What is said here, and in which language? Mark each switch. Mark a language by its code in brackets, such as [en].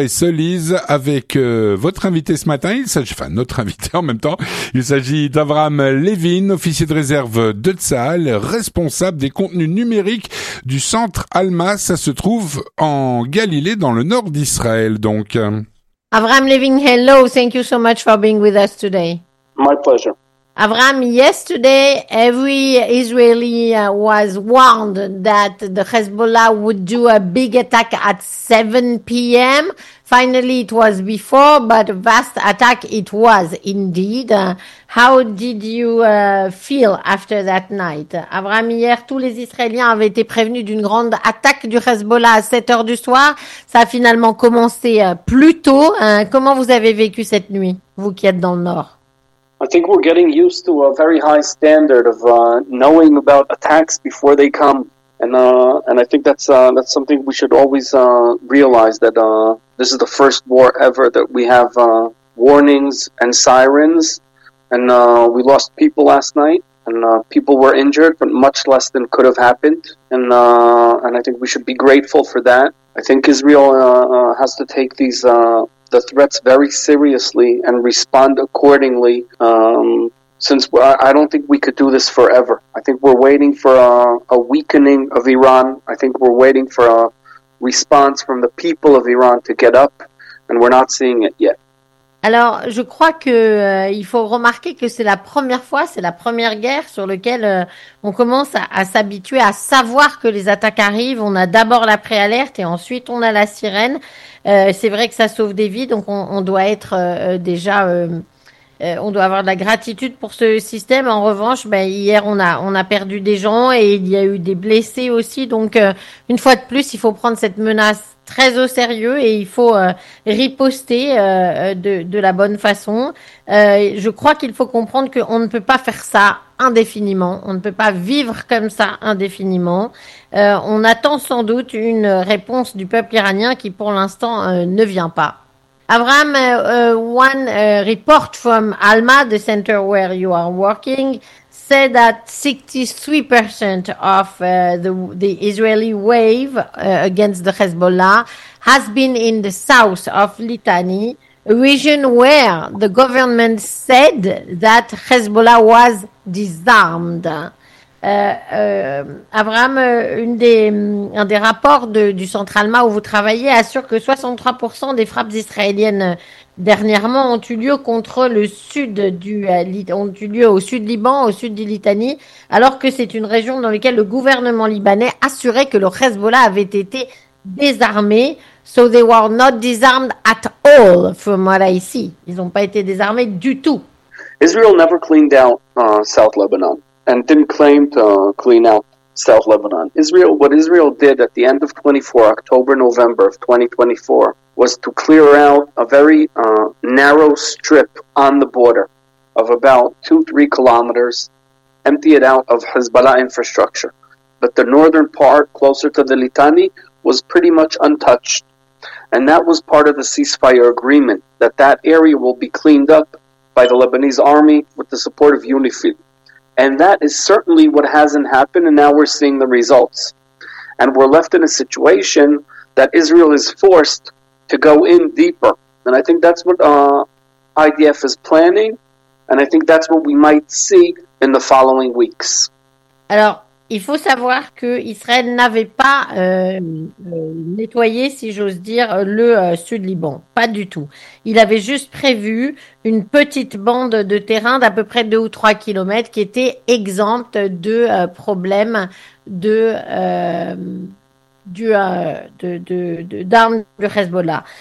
[fr] Et se lise avec votre invité ce matin, il s'agit d'Avraham Levin, officier de réserve de Tzahal, responsable des contenus numériques du centre Alma. Ça se trouve en Galilée, dans le nord d'Israël donc. [en] Avraham Levin, hello, thank you so much for being with us today. My pleasure. Avraham, yesterday every Israeli was warned that the Hezbollah would do a big attack at 7 p.m. Finally, it was before, but a vast attack it was indeed. How did you feel after that night? [fr] Avraham, hier, tous les Israéliens avaient été prévenus d'une grande attaque du Hezbollah à 7 heures du soir. Ça a finalement commencé plus tôt. Comment vous avez vécu cette nuit, vous qui êtes dans le Nord? [en] I think we're getting used to a very high standard of knowing about attacks before they come, and I think that's something we should always realize, that this is the first war ever that we have warnings and sirens, and we lost people last night, and people were injured, but much less than could have happened, and I think we should be grateful for that. I think Israel has to take these the threats very seriously and respond accordingly, since I don't think we could do this forever. I think we're waiting for a weakening of Iran. I think we're waiting for a response from the people of Iran to get up, and we're not seeing it yet. [fr] Alors, je crois que il faut remarquer que c'est la première fois, c'est la première guerre sur laquelle on commence à s'habituer à savoir que les attaques arrivent. On a d'abord la préalerte et ensuite on a la sirène. C'est vrai que ça sauve des vies, donc on doit être déjà, on doit avoir de la gratitude pour ce système. En revanche, ben hier on a perdu des gens et il y a eu des blessés aussi. Donc une fois de plus, il faut prendre cette menace très au sérieux et il faut riposter de la bonne façon. Je crois qu'il faut comprendre qu'on ne peut pas faire ça indéfiniment. On ne peut pas vivre comme ça indéfiniment. On attend sans doute une réponse du peuple iranien qui pour l'instant ne vient pas. [en] Avraham, one report from Alma, the center where you are working, said that 63% of the Israeli wave against the Hezbollah has been in the south of Litani, a region where the government said that Hezbollah was disarmed. [fr] Avraham, un des rapports du centre Alma où vous travaillez assure que 63% des frappes israéliennes dernièrement ont eu lieu contre le sud au sud Liban, au sud de Litanie, alors que c'est une région dans laquelle le gouvernement libanais assurait que le Hezbollah avait été désarmé. [en] So they were not disarmed at all, from what I see. [fr] Ils n'ont pas été désarmés du tout. [en] Israel never cleaned out South Lebanon and didn't claim to clean out South Lebanon. What Israel did at the end of 24, October, November of 2024, was to clear out a very narrow strip on the border of about 2-3 kilometers, empty it out of Hezbollah infrastructure. But the northern part, closer to the Litani, was pretty much untouched. And that was part of the ceasefire agreement, that area will be cleaned up by the Lebanese army with the support of UNIFIL. And that is certainly what hasn't happened, and now we're seeing the results. And we're left in a situation that Israel is forced to go in deeper. And I think that's what IDF is planning, and I think that's what we might see in the following weeks. [fr] Alors, il faut savoir que Israël n'avait pas nettoyé, si j'ose dire, le sud Liban. Pas du tout. Il avait juste prévu une petite bande de terrain d'à peu près 2 ou 3 kilomètres qui était exempte de problèmes d'armes du Hezbollah.